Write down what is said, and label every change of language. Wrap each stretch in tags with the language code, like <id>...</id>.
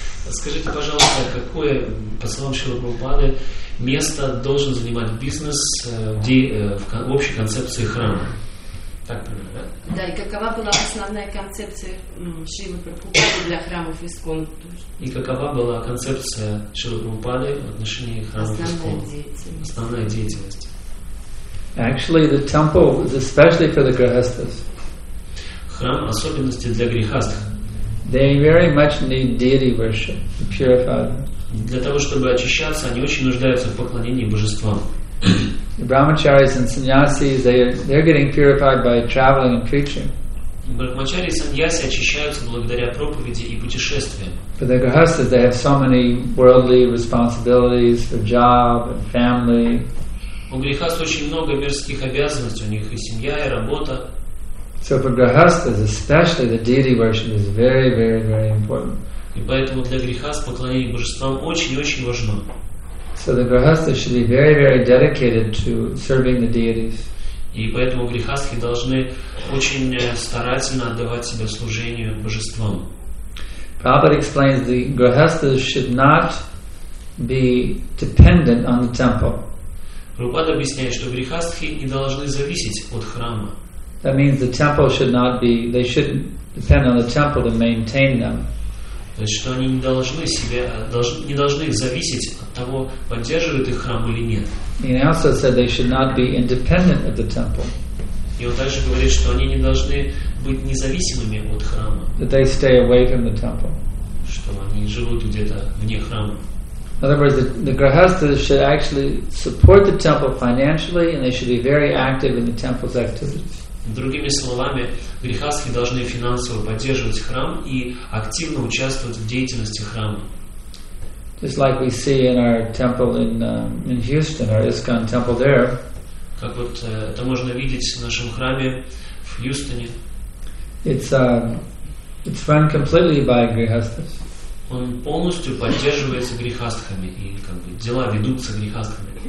<ru>Скажите, пожалуйста, какое, по словам Шрилы Прабхупады, место должен занимать бизнес в общей концепции храма? Так примерно, да? Да, и какова была основная концепция Шрилы Прабхупады для храмов ИСККОН? И какова была концепция Шрилы Прабхупады в отношении храмов ИСККОН? Основная деятельность.</ru> <en>Actually, the temple is especially for the grihasthas.</en> <ru>Храм особенности для грихастх.</ru> <en>They very much need deity worship, purified.</en> <ru>Для того чтобы очищаться, они очень нуждаются в поклонении божествам.</ru> <en>The brahmacharis and sannyasis, they're getting purified by traveling and preaching.</en> <ru>Брахмачари и саньяси очищаются благодаря проповеди и путешествиям.</ru> <en>But the grihastas, they have so many worldly responsibilities for job and family.</en> <ru>У грихаст очень много мирских обязанностей, у них и семья, и работа.</ru> <en>So for grihastas, especially the deity worship is very, very, very important.</en> <ru>И поэтому для грихаст поклонение божествам очень-очень важно.</ru> <en>So the grihastas should be very, very dedicated to serving the deities.</en> <ru>И поэтому грихастхи должны очень старательно отдавать себя служению божествам.</ru> <en>Prabhupada explains the grihastas should not be dependent on the temple.</en> <ru>Prabhupada объясняет, что грихастхи не должны зависеть от храма.</ru> <en>That means the temple should not be, they shouldn't depend on the temple to maintain them.</en> <ru>То есть, что они не должны себя, не должны зависеть от того, поддерживает их храм или нет.</ru> <en>He also said they should not be independent of the temple.</en> <ru>И он также говорит, что они не должны быть независимыми от храма.</ru> <en>That they stay away from the temple.</en> <ru>Что они живут где-то вне храма.</ru> <en>In other words, the grihasthas should actually support the temple financially, and they should be very active in the temple's activities.</en> <ru>Другими словами, грихастхи должны финансово поддерживать храм и активно участвовать в деятельности храма.</ru> <en>Just like we see in our temple in Houston, our ISKCON temple there.</en> <ru>Как вот это можно видеть в нашем храме в Хьюстоне.</ru> <en>It's run completely by grihasthas.</en> <ru>Он полностью поддерживается грихастхами, и как бы дела ведутся грихастхами.</ru>